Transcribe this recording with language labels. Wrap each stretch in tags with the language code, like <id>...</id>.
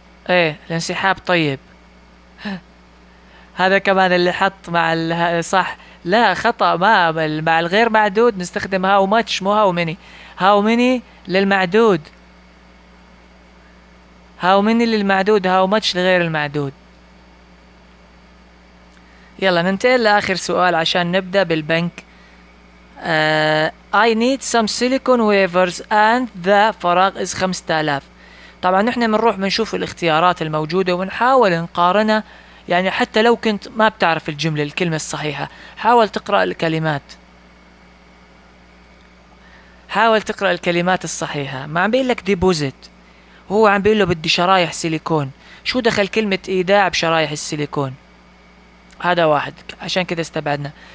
<ar>ايه الانسحاب طيب. هذا كمان اللي حط مع صح، لا خطأ، ما مع الغير معدود نستخدم</ar> <en>how much مو how many,</en> <ar>هاو ميني للمعدود، هاو ميني للمعدود، هاو ماتش لغير المعدود. يلا ننتقل لآخر سؤال عشان نبدأ بالبنك.</ar> <en>I need some silicon wafers and the</en> <ar>فراغ</ar> <en>is 5000.</en> <ar>طبعا نحن منروح بنشوف الاختيارات الموجودة ونحاول نقارنها، يعني حتى لو كنت ما بتعرف الجملة الكلمة الصحيحة حاول تقرأ الكلمات، حاول تقرأ الكلمات الصحيحة. ما عم بيقول لك ديبوزيت، هو عم بيقول له بدي شرايح سيليكون، شو دخل كلمة إيداع بشرايح السيليكون؟ هذا واحد عشان كده استبعدنا.</ar>